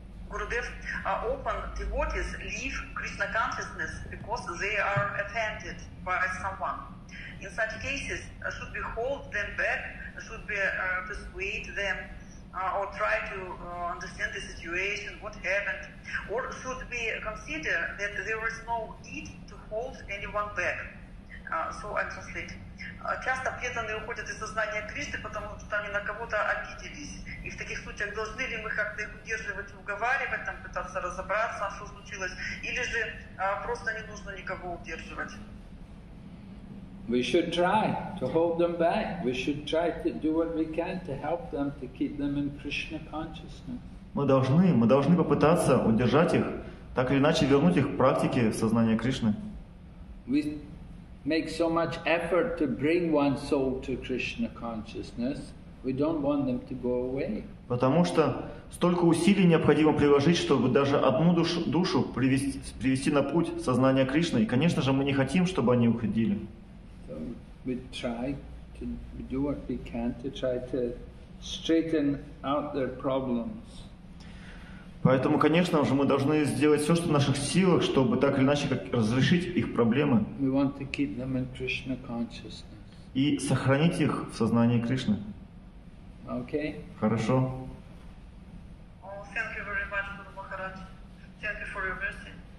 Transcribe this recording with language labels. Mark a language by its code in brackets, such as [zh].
[en] Gurudev, open devotees leave Krishna consciousness because they are offended by someone. In such cases, should we hold them back, should we persuade them, or try to understand the situation, what happened? Or should we consider that there is no need to hold anyone back? So I translate. [ru] Часто преданные уходят из сознания Кришны, потому что они на кого-то обиделись. И в таких случаях должны ли мы как-то их удерживать, уговаривать, там, пытаться разобраться, что случилось, или же просто не нужно никого удерживать? [en] We should try to hold them back. We should try to do what we can to help them, to keep them in Krishna consciousness. [ru] Мы должны попытаться удержать их, так или иначе вернуть их к практике сознания Кришны. [en] We make so much effort to bring one soul to Krishna consciousness. We don't want them to go away. [ru] Потому что столько усилий необходимо приложить, чтобы даже одну душу привести на путь сознания Кришны. И, конечно же, мы не хотим, чтобы они уходили. [en] We try to do what we can to try to straighten out their problems. [ru] Поэтому, конечно же, мы должны сделать все, что в наших силах, чтобы так или иначе разрешить их проблемы. [en] We want to keep them in Krishna consciousness. [ru] И сохранить их в сознании Кришны. [en] Okay. [ru] Хорошо. [en] Oh, thank you very much, Guru Maharaj. Thank you for your mercy.